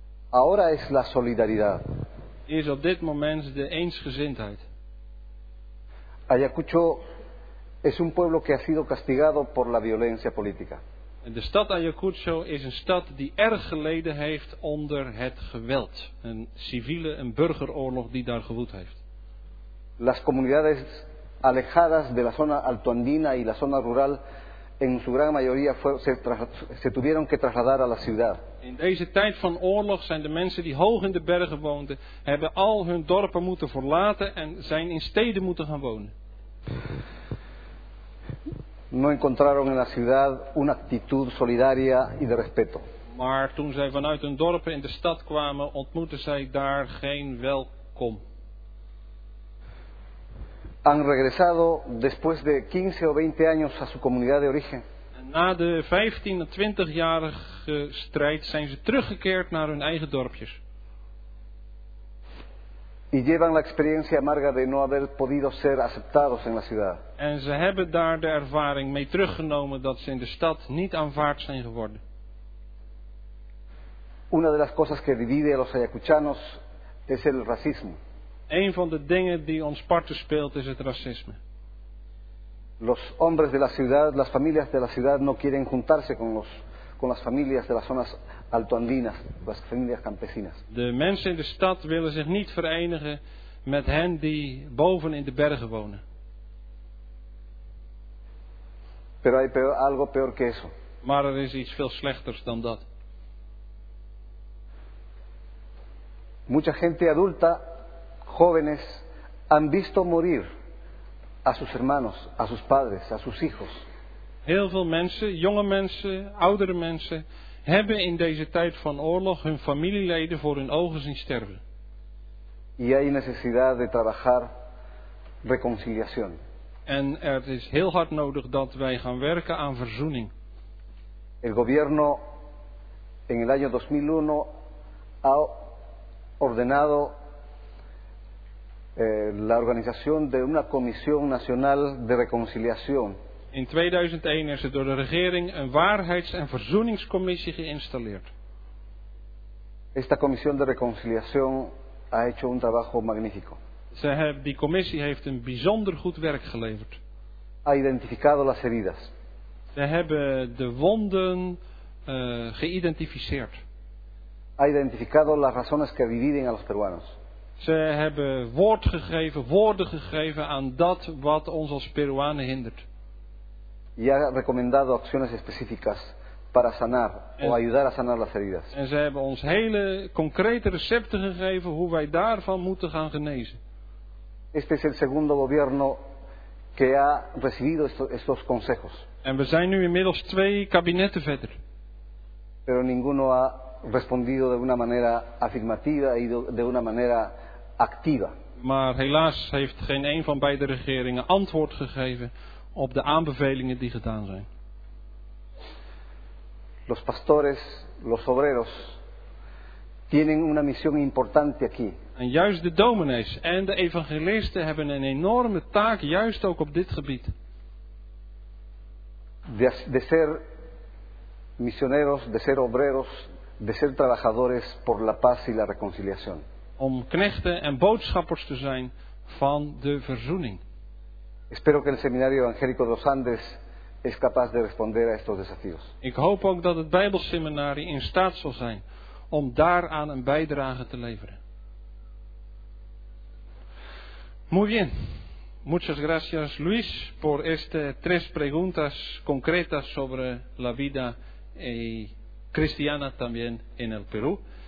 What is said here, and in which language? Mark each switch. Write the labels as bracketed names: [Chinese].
[Spanish] Ahora es la solidaridad. [Dutch] Is op dit moment de eensgezindheid. [Spanish] Ayacucho es un pueblo que ha sido castigado por la violencia política. [Dutch] De stad Ayacucho is een stad die erg geleden heeft onder het geweld. Een burgeroorlog die daar gewoed heeft. [Spanish] Las comunidades alejadas de la zona altoandina y la zona rural en su gran mayoría se tuvieron que trasladar a la ciudad. [Dutch] In deze tijd van oorlog zijn de mensen die hoog in de bergen woonden, hebben al hun dorpen moeten verlaten en zijn in steden moeten gaan wonen. [Spanish] No encontraron en la ciudad una actitud solidaria y de respeto. [Dutch] Maar toen zij vanuit hun dorpen in de stad kwamen, ontmoetten zij daar geen welkom. [Spanish] Han regresado después de 15 o 20 años a su comunidad de origen. [Dutch] Na de 15 en 20 jarige strijd zijn ze teruggekeerd naar hun eigen dorpjes. [Spanish] Y llevan la experiencia amarga de no haber podido ser aceptados en la ciudad. [Dutch] En ze hebben daar de ervaring mee teruggenomen dat ze in de stad niet aanvaard zijn geworden. [Spanish] Una de las cosas que divide a los ayacuchanos es el racismo. [Dutch] Een van de dingen die ons parten speelt is het racisme. [Spanish] Los hombres de la ciudad, las familias de la ciudad no quieren juntarse con las familias de las zonas altoandinas, las familias campesinas. [Dutch] De mensen in de stad willen zich niet verenigen met hen die boven in de bergen wonen. [Spanish] Pero hay algo peor que eso. [Dutch] Maar er is iets veel slechters dan dat. [Spanish] Mucha gente adulta, jóvenes, han visto morir a sus hermanos, a sus padres, a sus hijos. [Dutch] Heel veel mensen, jonge mensen, oudere mensen, hebben in deze tijd van oorlog hun familieleden voor hun ogen zien sterven. [Spanish] Y hay necesidad de trabajar reconciliación. [Dutch] En er is heel hard nodig dat wij gaan werken aan verzoening. [Spanish] El gobierno en el año 2001 ha ordenado la organización de una Comisión Nacional de Reconciliación. [Dutch] In 2001 is er door de regering een waarheids- en verzoeningscommissie geïnstalleerd. [Spanish] Esta Comisión de Reconciliación ha hecho un trabajo magnífico. [Dutch] Die commissie heeft een bijzonder goed werk geleverd. [Spanish] Ha identificado las heridas. [Dutch] Ze hebben de wonden geïdentificeerd. [Spanish] Ha identificado las razones que dividen a los peruanos. [Dutch] Ze hebben woorden gegeven aan dat wat ons als Peruanen hindert. [Spanish] Y ha recomendado acciones específicas para sanar o ayudar a sanar las heridas. [Dutch] En ze hebben ons hele concrete recepten gegeven hoe wij daarvan moeten gaan genezen. [Spanish] Este es el segundo gobierno que ha recibido estos consejos. [Dutch] En we zijn nu inmiddels 2 kabinetten verder. [Spanish] Pero ninguno ha respondido de una manera afirmativa y de una manera activa. [Dutch] Maar helaas heeft geen een van beide regeringen antwoord gegeven op de aanbevelingen die gedaan zijn. [Spanish] Los pastores, los obreros tienen una misión importante aquí. [Dutch] En juist de dominees en de evangelisten hebben een enorme taak, juist ook op dit gebied. [Spanish] De ser misioneros, de ser obreros, de ser trabajadores por la paz y la reconciliación. [Dutch] Om knechten en boodschappers te zijn van de verzoening. [Spanish] Espero que el seminario evangélico de los Andes es capaz de responder a estos desafíos. [Dutch] Ik hoop ook dat het Bijbelseminarie in staat zal zijn om daaraan een bijdrage te leveren. [Spanish] Muy bien. Muchas gracias, Luis, por estas 3 preguntas concretas sobre la vida cristiana también en el Perú.